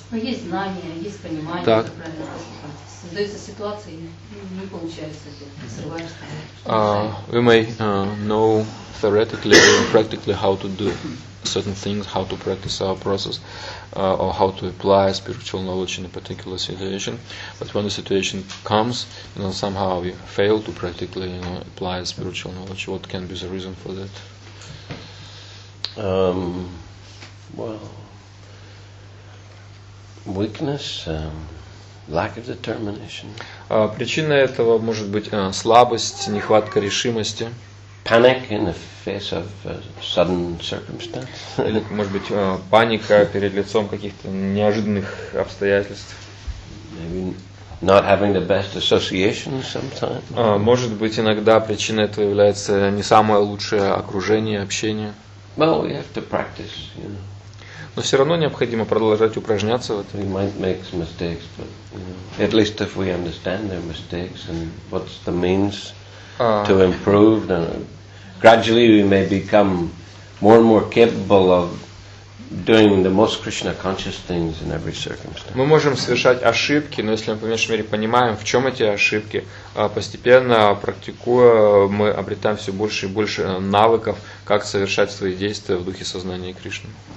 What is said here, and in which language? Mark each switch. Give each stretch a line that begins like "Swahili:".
Russian: Есть знания, есть понимание, так. Как правильно поступать. Создается ситуация, не получается, ты срываешься.
English: We may know theoretically or practically how to do certain things, how to practice our process, or how to apply spiritual knowledge in a particular situation. But when the situation comes, you know, somehow we fail to practically, you know, apply spiritual knowledge. What can be the reason for that? Weakness. Lack of determination.
Russian: Причина этого может быть слабость, нехватка решимости.
English: Panic in the face of sudden circumstance.
Russian: Или, может быть, паника перед лицом каких-то неожиданных обстоятельств.
English: Maybe not having the best association sometimes.
Russian: Может быть, иногда причиной этого является не самое лучшее окружение, общение.
English: Well, we have to practice, you know.
Russian: Но все равно необходимо продолжать упражняться в этом.
English: We might make some mistakes, but, you know, at least if we understand their mistakes and what's the means to improve, then gradually we may become more and more capable of doing the most Krishna conscious things in every circumstance.
Russian: Мы можем совершать ошибки, но если мы по меньшей мере понимаем, в чем эти ошибки, постепенно практикуя, мы обретаем все больше и больше навыков, как совершать свои действия в духе сознания Кришны.